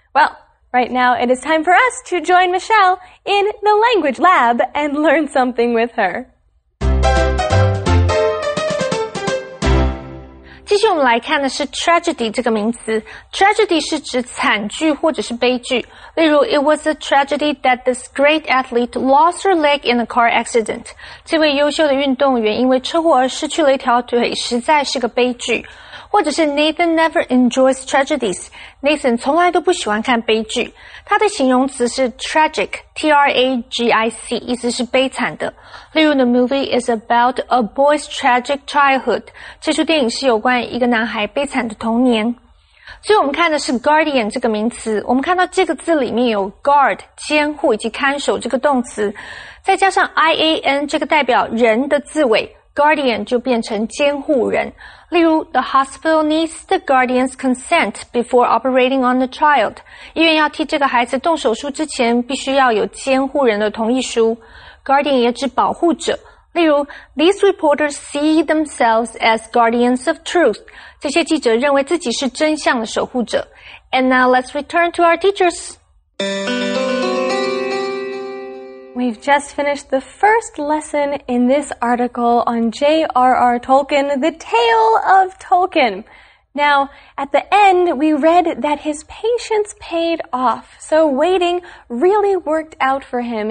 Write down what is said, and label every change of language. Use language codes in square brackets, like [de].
[en] Well, right now it is time for us to join Michelle in the language lab and learn something with her. [zh] 继续我们来看的是 tragedy 这个名词。Tragedy 是指惨剧或者是悲剧。例如 [en] ,it was a tragedy that this great athlete lost her leg in a car accident. [zh] 这位优秀的运动员因为车祸而失去了一条腿实在是个悲剧。或者是 [en] Nathan never enjoys tragedies. [zh] Nathan 从来都不喜欢看悲剧。他的形容词是 tragic, T-R-A-G-I-C, 意思是悲惨的。例如 [en] the movie is about a boy's tragic childhood. [zh] 这出电影是有关一个男孩悲惨的童年。所以我们看的是 guardian 这个名词。我们看到这个字里面有 guard, 监护以及看守这个动词。再加上 I-A-N 这个代表人的字尾。Guardian 就变成监护人。例如 [en] ,the hospital needs the guardian's consent before operating on the child. [zh] 医院要替这个孩子动手术之前必须要有监护人的同意书。 Guardian 也指保护者。例如 [en] ,these reporters see themselves as guardians of truth. [zh] 这些记者认为自己是真相的守护者。 [en] And now let's return to our teachers. We've just finished the first lesson in this article on J.R.R. Tolkien, The Tale of Tolkien. Now, at the end, we read that his patience paid off, so waiting really worked out for him.